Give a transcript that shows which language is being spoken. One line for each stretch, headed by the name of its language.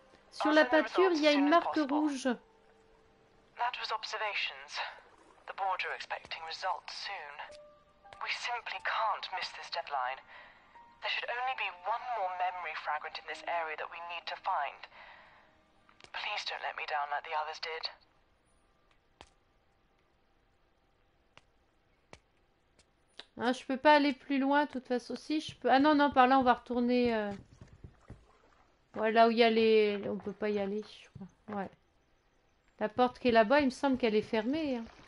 French: Sur la peinture, il y a une marque rouge.
English: That was observations. The board are expecting results soon. We simply can't miss this deadline. There should only be one more memory fragment in this area that we need to find. Please don't let me down like the others did.
French: Hein, je peux pas aller plus loin, de toute façon. Si, je peux... Ah non, non, par là, on va retourner... Voilà où il y a les... On peut pas y aller, je crois. Ouais. La porte qui est là-bas, il me semble qu'elle est fermée. Hein.